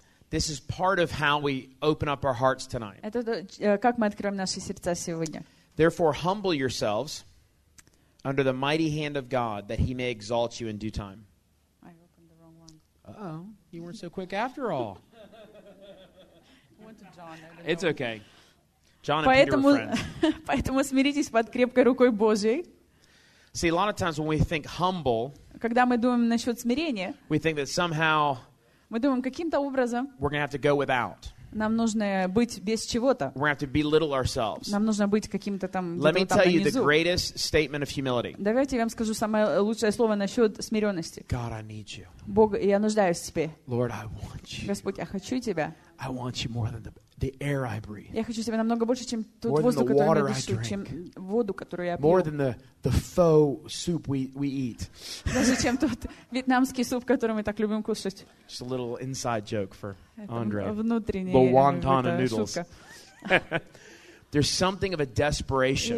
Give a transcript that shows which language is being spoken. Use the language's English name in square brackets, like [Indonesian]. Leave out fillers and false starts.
[English] This is part of how we open up our hearts tonight. [Russian] Как мы откроем наши сердца сегодня. [English] Therefore, humble yourselves under the mighty hand of God, that he may exalt you in due time. I opened the wrong one. Uh-oh. You weren't so quick after all. Went to John. It's okay. John and Peter are friends. [Russian] Поэтому смиритесь под крепкой рукой Божьей. [English] See, a lot of times when we think humble, [Russian] когда мы думаем насчет смирения, [English] we think that somehow, [Russian] мы думаем каким-то образом, [English] we're going to have to go without. [Russian] Нам нужно быть без чего-то. [English] We're going to have to belittle ourselves. [Russian] Нам нужно быть каким-то там. [English] Let me tell [Russian] внизу. [English] You the greatest statement of humility. [Russian] Давайте я вам скажу самое лучшее слово насчет смиренности. [English] God, I need you. [Russian] Бог, я нуждаюсь в тебе. [English] Lord, I want you. [Russian] Господь, я хочу тебя. [English] I want you more than the air I breathe. [Russian] Я хочу тебя намного больше, чем тот воздух, который я дышу, чем воду, которую я пью. [English] More than the faux soup we eat. [Russian] Даже чем тот вьетнамский суп, который мы так любим кушать. [English] Just a little inside joke for Andre. [Russian] Внутренняя шутка. [English] The wonton and noodles. There's something of a desperation.